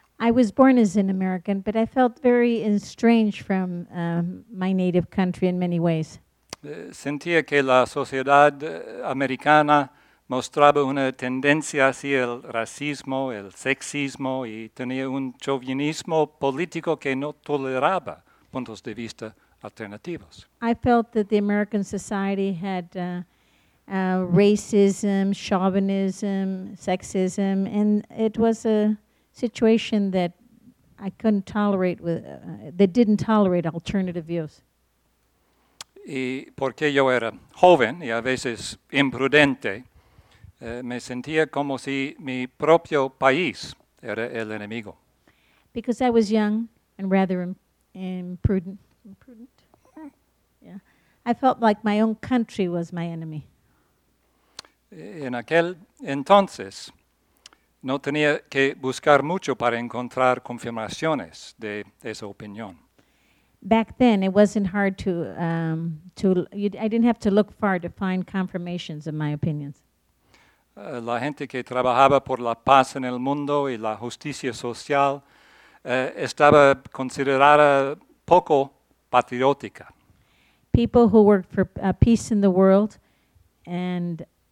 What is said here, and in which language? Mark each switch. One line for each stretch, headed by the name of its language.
English: I was born as an American, but I felt very estranged from my native country in many ways.
Spanish: Sentía que la sociedad americana mostraba una tendencia hacia el racismo, el sexismo, y tenía un chauvinismo político que no toleraba puntos de vista alternativos.
English: I felt that the American society had racism, chauvinism, sexism, and it was a situation that I couldn't tolerate, that didn't tolerate alternative views.
Spanish: Y porque yo era joven y a veces imprudente, me sentía como si mi propio país era el enemigo.
English: Because I was young and rather imprudent. Yeah. I felt like my own country was my enemy.
Spanish: En aquel entonces, no tenía que buscar mucho para encontrar confirmaciones de esa opinión.
English: Back then, it wasn't hard I didn't have to look far to find confirmations of my opinions.
Spanish: La gente que trabajaba por la paz en el mundo y la justicia social estaba considerada poco patriótica.
English: People who worked for peace in the world and